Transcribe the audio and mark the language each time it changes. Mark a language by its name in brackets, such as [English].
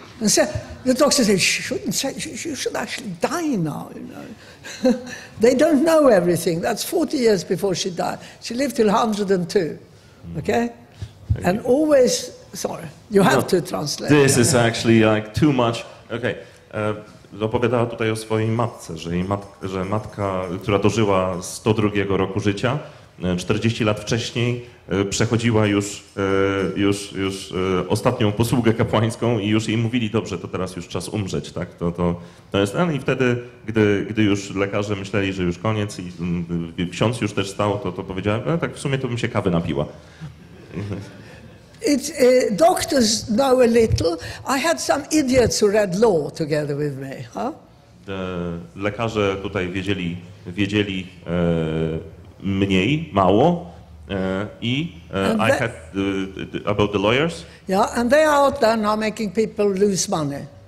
[English] And so the doctor said, you shouldn't say, you should actually die now, you know. They don't know everything. That's 40 years before she died. She lived till 102, okay? Thank and you. Always, sorry, you have no, to translate. This is actually like too much. [Polish] Okay, opowiadała tutaj o swojej matce, że jej matka, która dożyła 102 roku życia, 40 lat wcześniej, przechodziła już ostatnią posługę kapłańską i już jej mówili, dobrze, to teraz już czas umrzeć, tak? To jest ten. I wtedy, gdy już lekarze myśleli, że już koniec i ksiądz już też stał, to powiedziała, no tak w sumie to bym się kawy napiła. [English] Doctors know a little. I had some idiots who read law together with me, huh? [Polish] Lekarze tutaj wiedzieli mniej, mało. [English] I had about the lawyers. Yeah, and they are out there now making people lose money.